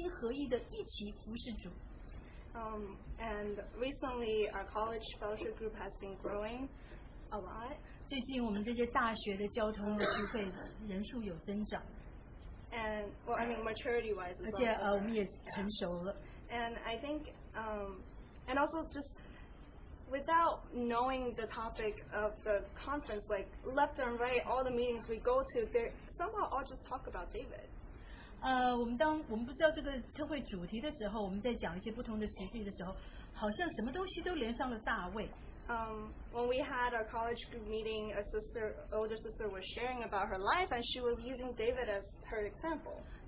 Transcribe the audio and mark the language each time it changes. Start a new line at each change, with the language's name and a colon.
Chinese: 主真的让我们看见这是第一次所有的年轻人同心合意的一起服侍主。
English: And recently our college fellowship group has been growing a lot.
Chinese: 最近我们这些大学的交通的聚会人数有增长。
English: And well, I mean maturity wise.
Chinese: 而且,
English: as well,
Chinese: 我们也成熟了。
English: Yeah. And I think and also just without knowing the topic of the conference, like left and right, all the meetings we go to, they somehow all just talk about David.
Chinese: 我们不知道这个特会主题的时候，我们在讲一些不同的实际的时候，好像什么东西都连上了大卫。
English: When we had our college group meeting, a sister, older sister was sharing about her life, and she was using David as her example.